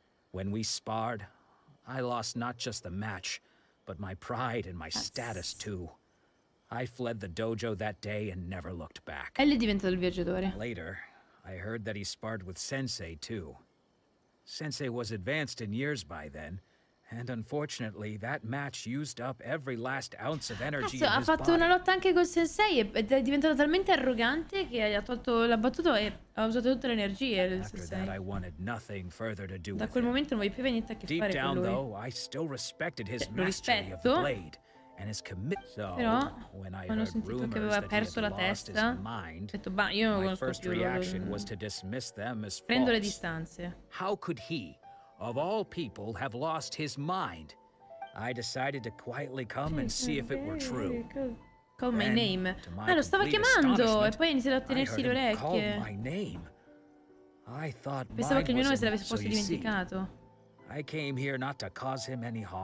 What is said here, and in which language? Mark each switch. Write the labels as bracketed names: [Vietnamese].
[English] When we sparred, I lost not just the match, but my pride and my status too. I fled the dojo that day and never looked back. [Italian] E lì è diventato il viaggiatore. [English] Later, I heard that he sparred with Sensei too. Sensei was advanced in years by then. And unfortunately, that match used up every last ounce of energy. [Italian] Cazzo, ha fatto una lotta anche col sensei ed è diventato talmente arrogante che ha tolto la battuta e ha usato tutte le energie del sensei. Da quel momento non voglio più niente a che fare con lui. [English] Though, I still respected his mastery of the blade and his [Italian] Però, quando ho sentito che aveva perso la testa, ho detto, ma io non conosco più. Prendo le distanze. [English] How could he, of all people, have lost his mind? I decided to quietly come and see if it were true. Call my name. [Italian] Ma lo stava chiamando e poi iniziò a tenersi le orecchie. Pensavo che il mio nome se l'avesse forse dimenticato. [English] I came here not to cause him any harm.